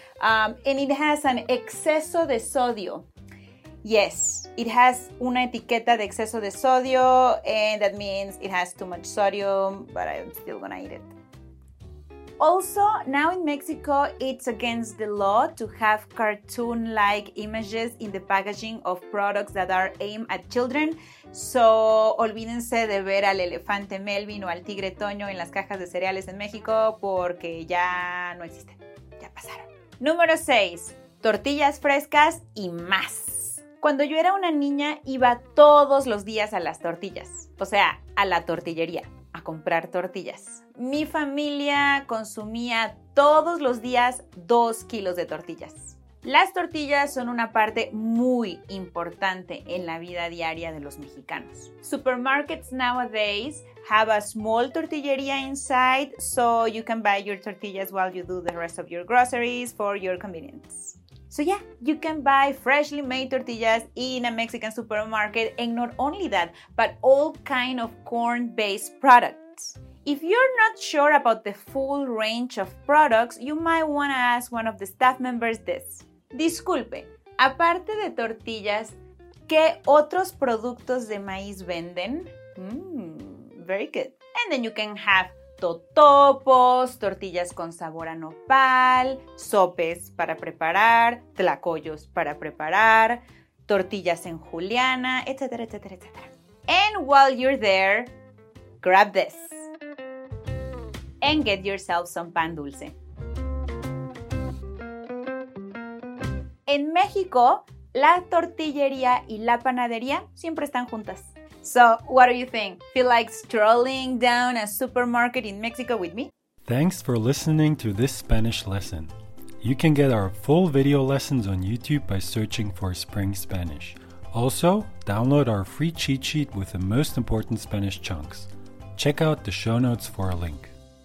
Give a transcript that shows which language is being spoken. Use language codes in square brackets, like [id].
[en] And it has an [es] exceso de sodio. [en] Yes, it has [es] una etiqueta de exceso de sodio, [en] and that means it has too much sodium, but I'm still gonna eat it. Also, now in Mexico, it's against the law to have cartoon-like images in the packaging of products that are aimed at children. [es] So, olvídense de ver al elefante Melvin o al tigre Toño en las cajas de cereales en México porque ya no existen. Ya pasaron. Número 6. Tortillas frescas y más. Cuando yo era una niña, iba todos los días a las tortillas. O sea, a la tortillería. A comprar tortillas. Mi familia consumía todos los días 2 kilos de tortillas. Las tortillas son una parte muy importante en la vida diaria de los mexicanos. [en] Supermarkets nowadays have a small tortillería inside, so you can buy your tortillas while you do the rest of your groceries for your convenience. So yeah, you can buy freshly made tortillas in a Mexican supermarket, and not only that, but all kind of corn-based products. If you're not sure about the full range of products, you might want to ask one of the staff members this. [es] Disculpe, aparte de tortillas, ¿qué otros productos de maíz venden? [en] Very good. And then you can have [es] totopos, tortillas con sabor a nopal, sopes para preparar, tlacoyos para preparar, tortillas en juliana, etcétera, etcétera, etcétera. [en] And while you're there, grab this. And get yourself some pan dulce. [es] En México, la tortillería y la panadería siempre están juntas. [en] So what do you think? Feel like strolling down a supermarket in Mexico with me? Thanks for listening to this Spanish lesson. You can get our full video lessons on YouTube by searching for Spring Spanish. Also, download our free cheat sheet with the most important Spanish chunks. Check out the show notes for a link.